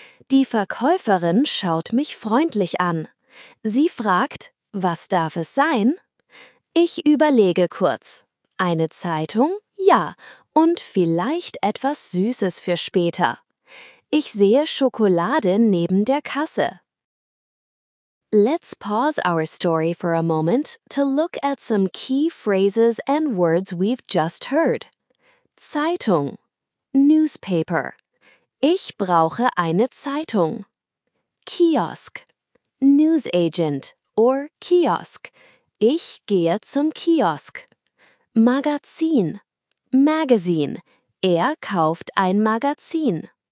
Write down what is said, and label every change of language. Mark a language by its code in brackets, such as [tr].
[de] Die Verkäuferin schaut mich freundlich an. Sie fragt: Was darf es sein? Ich überlege kurz. Eine Zeitung? Ja, und vielleicht etwas Süßes für später. Ich sehe Schokolade neben der Kasse. [en] Let's pause our story for a moment to look at some key phrases and words we've just heard. [de] Zeitung, [en] newspaper. [de] Ich brauche eine Zeitung. [en] Kiosk, newsagent or kiosk. [de] Ich gehe zum Kiosk. Magazin, [en] magazine. [de] Er kauft ein Magazin.